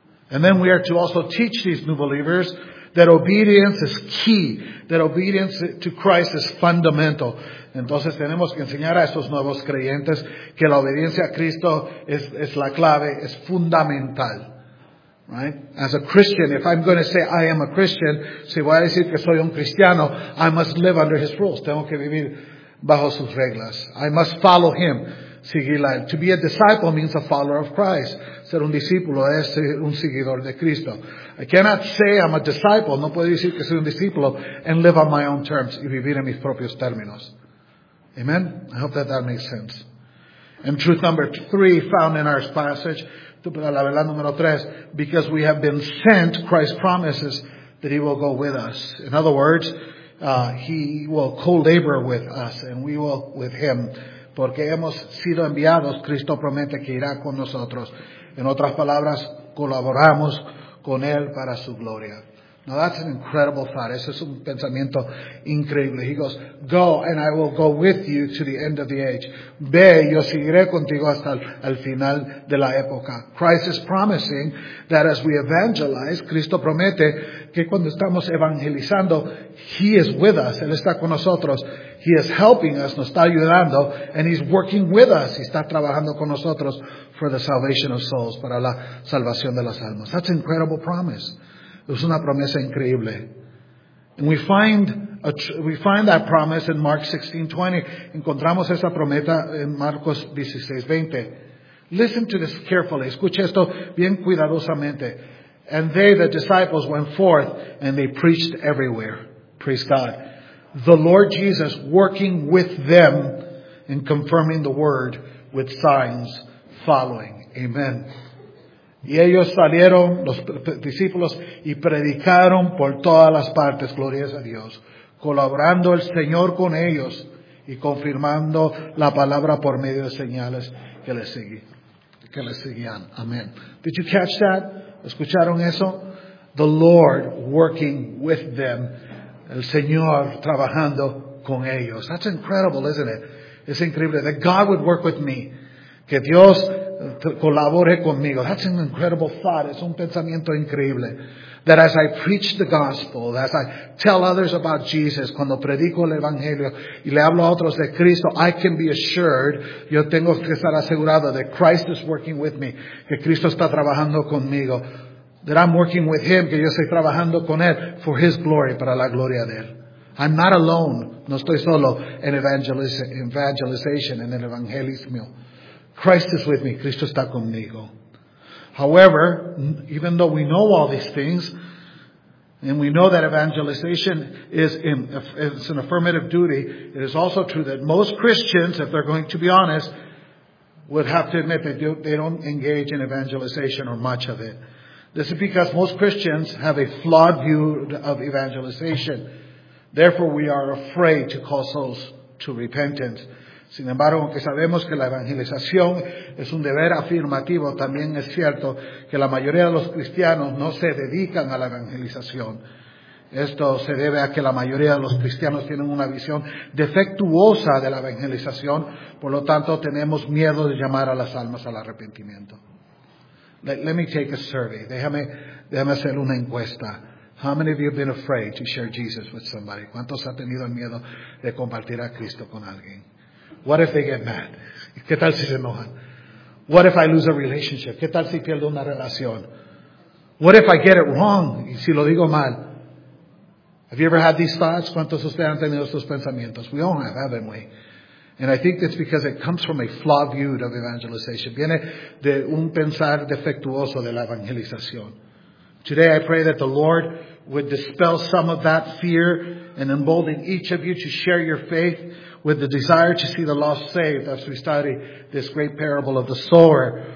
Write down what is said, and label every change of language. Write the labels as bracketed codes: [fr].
[en] And then we are to also teach these new believers that obedience is key, that obedience to Christ is fundamental. [es] Entonces tenemos que enseñar a estos nuevos creyentes que la obediencia a Cristo es la clave, es fundamental. Right? [en] As a Christian, if I'm going to say I am a Christian, [es] si voy a decir que soy un cristiano, [en] I must live under his rules. [es] Tengo que vivir bajo sus reglas. [en] I must follow him. Seguirla. To be a disciple means a follower of Christ. [es] Ser un discípulo es ser un seguidor de Cristo. [en] I cannot say I'm a disciple. [es] No puedo decir que soy un discípulo [en] and live on my own terms [es] y vivir en mis propios términos. [en] Amen? I hope that makes sense. And truth number three found in our passage, [es] la verdad número tres, [en] because we have been sent, Christ promises that he will go with us. In other words, he will co-labor with us and we will with him. [es] Porque hemos sido enviados, Cristo promete que irá con nosotros. En otras palabras, colaboramos con él para su gloria. [en] Now that's an incredible thought. [es] Ese es un pensamiento increíble. [en] He goes, go and I will go with you to the end of the age. [es] Ve, yo seguiré contigo hasta el final de la época. [en] Christ is promising that as we evangelize, [es] Cristo promete que cuando estamos evangelizando, [en] he is with us. [es] Él está con nosotros. [en] He is helping us, [es] nos está ayudando, [en] and he's working with us. [es] Y está trabajando con nosotros [en] for the salvation of souls, [es] para la salvación de las almas. [en] That's an incredible promise. [es] Es una promesa increíble. [en] And we find that promise in Mark 16:20. [es] Encontramos esa promesa en Marcos 16:20. [en] Listen to this carefully. [es] Escuche esto bien cuidadosamente. [en] And they, the disciples, went forth and they preached everywhere. Praise God. The Lord Jesus working with them and confirming the word with signs following. Amen. [es] Y ellos salieron, los discípulos, y predicaron por todas las partes, glorias a Dios, colaborando el Señor con ellos y confirmando la palabra por medio de señales que le seguían. [en] Amén. Did you catch that? [es] ¿Escucharon eso? [en] The Lord working with them. [es] El Señor trabajando con ellos. [en] That's incredible, isn't it? [es] Es increíble. [en] That God would work with me. [es] Que Dios colabore conmigo. [en] That's an incredible thought. [es] Es un pensamiento increíble. [en] That as I preach the gospel, as I tell others about Jesus, [es] cuando predico el evangelio y le hablo a otros de Cristo, [en] I can be assured, [es] yo tengo que estar asegurado [en] that Christ is working with me, [es] que Cristo está trabajando conmigo. [en] That I'm working with Him, [es] que yo estoy trabajando con Él, [en] for His glory, [es] para la gloria de Él. [en] I'm not alone, [es] no estoy solo en evangelization, en el evangelismo. [en] Christ is with me, [es] Cristo está conmigo. [en] However, even though we know all these things, and we know that evangelization is an affirmative duty, it is also true that most Christians, if they're going to be honest, would have to admit that they don't engage in evangelization or much of it. This is because most Christians have a flawed view of evangelization. Therefore, we are afraid to call souls to repentance. [es] Sin embargo, aunque sabemos que la evangelización es un deber afirmativo, también es cierto que la mayoría de los cristianos no se dedican a la evangelización. Esto se debe a que la mayoría de los cristianos tienen una visión defectuosa de la evangelización, por lo tanto tenemos miedo de llamar a las almas al arrepentimiento. [en] Let me take a survey. [es] Déjame hacer una encuesta. [en] How many of you have been afraid to share Jesus with somebody? [es] ¿Cuántos han tenido el miedo de compartir a Cristo con alguien? [en] What if they get mad? [es] ¿Qué tal si se enojan? [en] What if I lose a relationship? [es] ¿Qué tal si pierdo una relación? [en] What if I get it wrong? [es] ¿Y si lo digo mal? [en] Have you ever had these thoughts? [es] ¿Cuántos de ustedes han tenido estos pensamientos? [en] We all have, haven't we? And I think it's because it comes from a flawed view of evangelization. [es] Viene de un pensar defectuoso de la evangelización. [en] Today I pray that the Lord would dispel some of that fear and embolden each of you to share your faith with the desire to see the lost saved as we study this great parable of the sower.